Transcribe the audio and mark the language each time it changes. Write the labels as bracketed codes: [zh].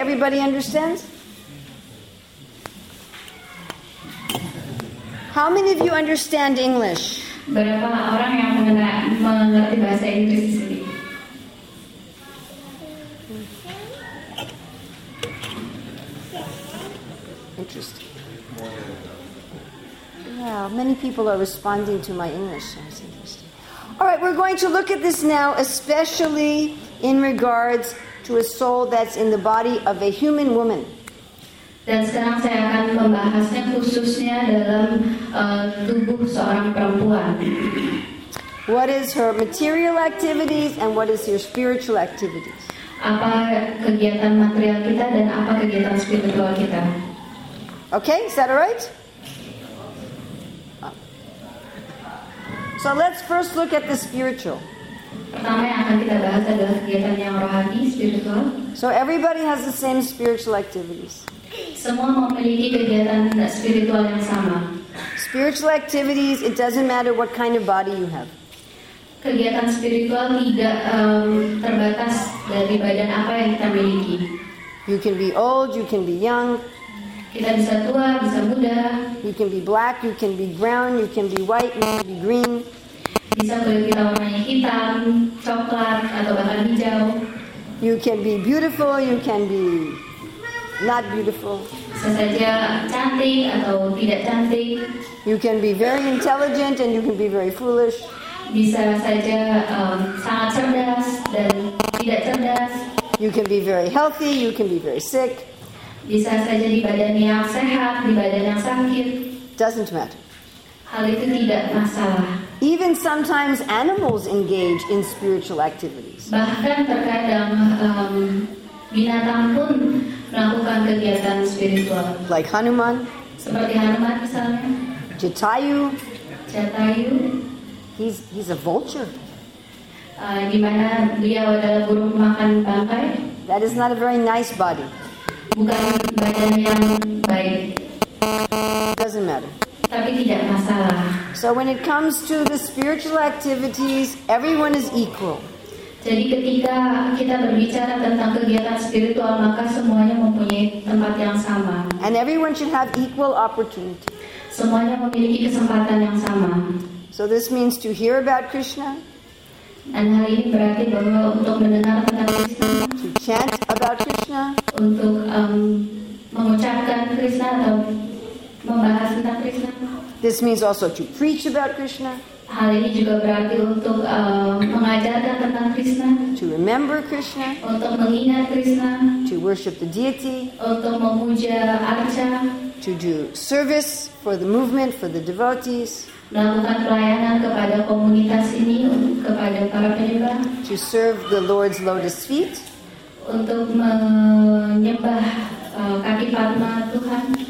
[en] Everybody understands? How many of you understand English? [id] Berapa orang yang mengerti bahasa Inggris di sini? [en] Interesting. Yeah, many people are responding to my English. That's interesting. All right, we're going to look at this now, especially in regards to a soul that's in the body of a human woman. [id] Dan sekarang saya akan membahasnya khususnya dalam tubuh seorang perempuan. [en] What is her material activities and what is her spiritual activities? [id] Apa kegiatan material kita dan apa kegiatan spiritual kita? [en] Okay, is that all right? So let's first look at the spiritual. [id] Pertama yang akan kita bahas adalah kegiatan yang rohani, spiritual. [en] So everybody has the same spiritual activities. [id] Semua memiliki kegiatan spiritual yang sama. [en] Spiritual activities, it doesn't matter what kind of body you have. [id] Kegiatan spiritual tidak terbatas dari badan apa yang kita miliki. [en] You can be old, you can be young. [id] Kita bisa tua, bisa muda. [en] You can be black, you can be brown, you can be white, you can be green. [id] Bisa kulit kita warnanya hitam, coklat, atau bahkan hijau. [en] You can be beautiful, you can be not beautiful. [id] Bisa saja cantik atau tidak cantik. [en] You can be very intelligent and you can be very foolish. [id] Bisa saja sangat cerdas dan tidak cerdas. [en] You can be very healthy, you can be very sick. [id] Bisa saja di badan yang sehat, di badan yang sakit. [en] Doesn't matter. [id] Hal itu tidak masalah. [en] Even sometimes animals engage in spiritual activities. [id] Bahkan terkadang binatang pun melakukan kegiatan spiritual. [en] Like Hanuman. [id] Seperti Hanuman misalnya. [en] Jatayu. [id] Jatayu. [en] He's a vulture. [id] Di mana dia adalah burung makan bangkai. [en] That is not a very nice body. [id] Bukan badan yang baik. [en] Doesn't matter. [id] Tapi tidak masalah. [en] So when it comes to the spiritual activities, everyone is equal. [id] Jadi ketika kita berbicara tentang kegiatan spiritual, maka semuanya mempunyai tempat yang sama. [en] And everyone should have equal opportunity. [id] Semuanya memiliki kesempatan yang sama. [en] So this means to hear about Krishna. [id] Dan hal ini berarti bahwa untuk mendengar tentang Krishna. [en] To chant about Krishna. [id] Untuk mengucapkan Krishna atau membahas tentang Krishna. [en] This means also to preach about Krishna. [id] Hal ini juga berarti untuk mengajarkan tentang Krishna. [en] To remember Krishna. [id] Untuk mengingat Krishna. [en] To worship the deity. [id] Untuk memuja Arca. [en] To do service for the movement, for the devotees. [id] Melakukan pelayanan kepada komunitas ini, kepada para penyembah. [en] To serve the Lord's lotus feet. [id] Untuk menyembah kaki Padma Tuhan.